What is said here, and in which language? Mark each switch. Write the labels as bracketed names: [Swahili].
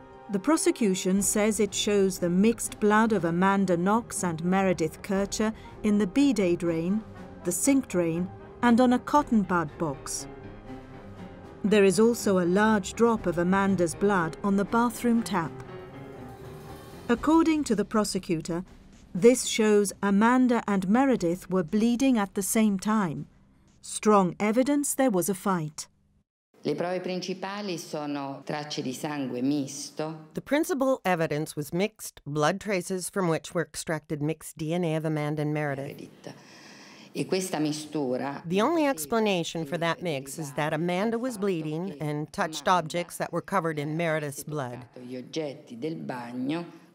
[English] The prosecution says it shows the mixed blood of Amanda Knox and Meredith Kercher in the bidet drain, the sink drain, and on a cotton bud box. There is also a large drop of Amanda's blood on the bathroom tap. According to the prosecutor, this shows Amanda and Meredith were bleeding at the same time. Strong evidence there was a fight. [Italian] Le prove principali sono tracce di sangue misto. [English] The principal evidence was mixed blood traces from which were extracted mixed DNA of Amanda and Meredith. [Italian] E questa mistura. [English] The only explanation for that mix is that Amanda was bleeding and touched objects that were covered in Meredith's blood. [Italian] Gli oggetti del bagno.